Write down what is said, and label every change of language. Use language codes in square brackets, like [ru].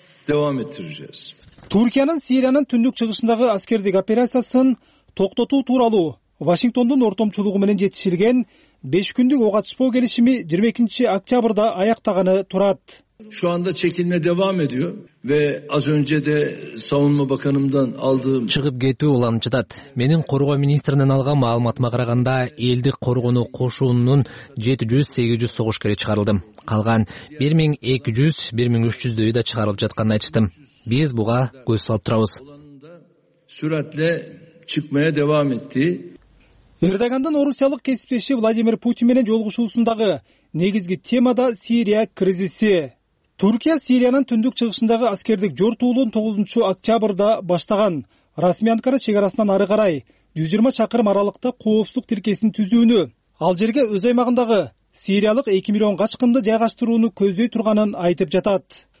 [ky] Түркиянын Сириянын түндүк чыгышындагы аскердик операциясын токтотуу тууралуу Вашингтондун ортомчулугу менен жетишилген 5 күндүк ууга чыкпоо келишими 22 октябрда аяктаганы турат. [tr] Şu anda çekilme devam ediyor ve az önce de savunma bakanımdan aldığım [ky] чыгып кетүү уланчытат. Менин коргоо министринен алган маалыматыма караганда элдик коргоону кошуунун 700-800 согушкери чыгарылды. Калган 1200-1300 да чыгарылып жатканын айттым. Биз буга көз салып турабыз. [tr] Süratle çıkmaya devam etti. [ky] Эрдогандын орусиялык кесиптеши Владимир Путин менен жолугушуусундагы негизги тема да Сирия кризиси. Түркия Сириянын түндүк чыгышындагы аскердик жортуулун 9 октябрда баштаган. Расмий Анкара чек арасынан ары карай 120 чакырым аралыкта коопсуздук тилкесин түзүүнү, ал жерге өз аймагындагы сириялык 2 миллион качкынды жайгаштырууну көздөй турганын айтып жатат.